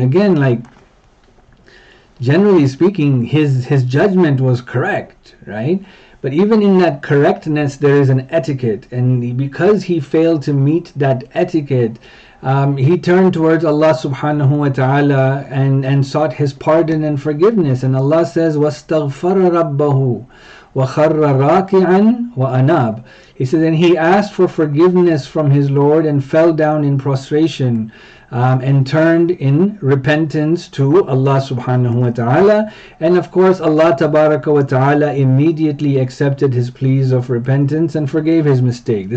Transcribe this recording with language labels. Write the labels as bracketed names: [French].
[English] Again, like, generally speaking, his judgment was correct, right? But even in that correctness, there is an etiquette, and because he failed to meet that etiquette, he turned towards Allah subhanahu wa ta'ala and sought his pardon and forgiveness. And Allah says, [Arabic] وَاسْتَغْفَرَ رَبَّهُ وَخَرَّ رَاكِعًا وَأَنَابُ. [English] He said, and he asked for forgiveness from his Lord and fell down in prostration and turned in repentance to Allah subhanahu wa ta'ala. And of course, Allah tabaraka wa ta'ala immediately accepted his pleas of repentance and forgave his mistake.